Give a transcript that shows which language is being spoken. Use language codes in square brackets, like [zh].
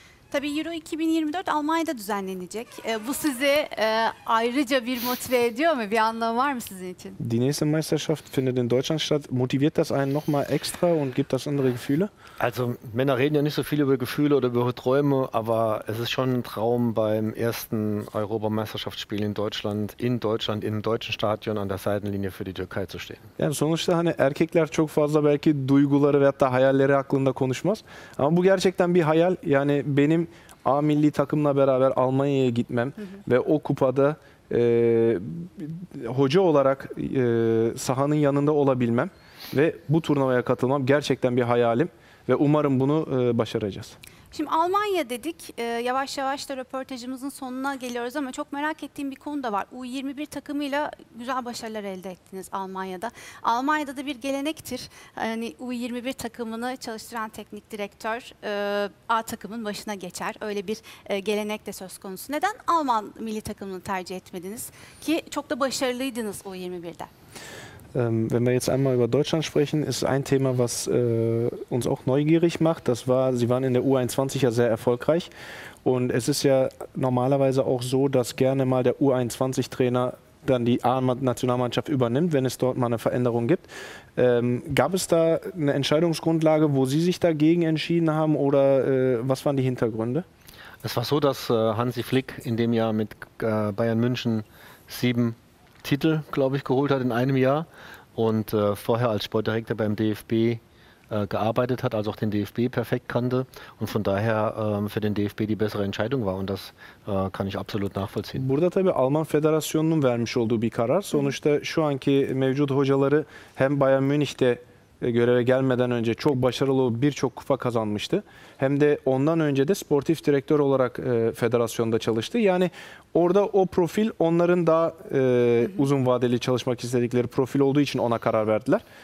[tr] Tabii Euro 2024 Almanya'da düzenlenecek. Bu sizi ayrıca bir motive ediyor mu? Bir anlamı var mı sizin için? [de] Die nächste Meisterschaft findet in Deutschland statt. Motiviert das einen nochmal extra und gibt das andere Gefühle? Also Männer reden ja nicht so viel über Gefühle oder über Träume, aber es ist schon ein Traum, beim ersten Europameisterschaftsspiel in Deutschland, in einem deutschen Stadion an der Seitenlinie für die Türkei zu stehen. [tr] Yani sonuçta hani erkekler çok fazla belki duyguları veyahut da hayalleri aklında konuşmaz. Ama bu gerçekten bir hayal. Yani benim A milli takımla beraber Almanya'ya gitmem ve o kupada hoca olarak sahanın yanında olabilmem ve bu turnuvaya katılmam gerçekten bir hayalim. Ve umarım bunu başaracağız. Şimdi Almanya dedik, yavaş yavaş da röportajımızın sonuna geliyoruz ama çok merak ettiğim bir konu da var. U21 takımıyla güzel başarılar elde ettiniz Almanya'da. Almanya'da da bir gelenektir. Hani U21 takımını çalıştıran teknik direktör A takımın başına geçer. Öyle bir gelenek de söz konusu. Neden Alman milli takımını tercih etmediniz ki çok da başarılıydınız U21'de? [de] Wenn wir jetzt einmal über Deutschland sprechen, ist ein Thema, was uns auch neugierig macht. Das war, Sie waren in der U21 ja sehr erfolgreich. Und es ist ja normalerweise auch so, dass gerne mal der U21-Trainer dann die A-Nationalmannschaft übernimmt, wenn es dort mal eine Veränderung gibt. Gab es da eine Entscheidungsgrundlage, wo Sie sich dagegen entschieden haben oder was waren die Hintergründe? Es war so, dass Hansi Flick in dem Jahr mit Bayern München 7 Titel, glaube ich, geholt hat in einem Jahr und vorher als Sportdirektor beim DFB gearbeitet hat, also auch den DFB perfekt kannte und von daher für den DFB die bessere Entscheidung war und das kann ich absolut nachvollziehen. [tr] Burada tabii Alman Federasyonu'nun vermiş olduğu bir karar. Sonuçta şu anki mevcut hocaları hem Bayern Münih'te göreve gelmeden önce çok başarılı birçok kupa kazanmıştı. Hem de ondan önce de sportif direktör olarak federasyonda çalıştı. Yani orada o profil onların daha uzun vadeli çalışmak istedikleri profil olduğu için ona karar verdiler.